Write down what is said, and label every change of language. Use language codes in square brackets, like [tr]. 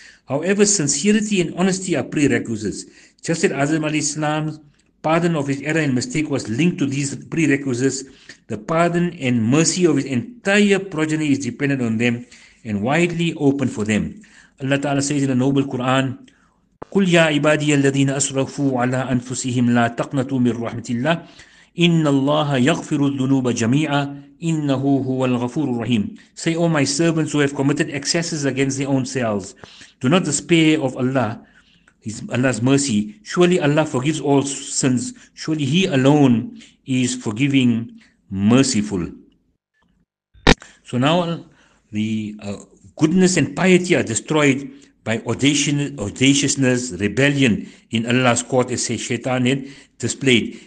[en] However, sincerity and honesty are prerequisites. Just as Adam alayhi salam's pardon of his error and mistake was linked to these prerequisites, the pardon and mercy of his entire progeny is dependent on them and widely open for them. Allah Ta'ala says in the noble Quran, [ar] قل يا عبادي الذين أسرفوا على أنفسهم لا تقنطوا من رحمة الله إن الله يغفر الذنوب جميعا إنه هو الغفور الرحيم. [en] Say, O my servants who have committed excesses against their own selves, do not despair of Allah, Allah's mercy. Surely Allah forgives all sins. Surely He alone is forgiving, merciful. So now the goodness and piety are destroyed by audaciousness, rebellion in Allah's court, as Shaitan had displayed.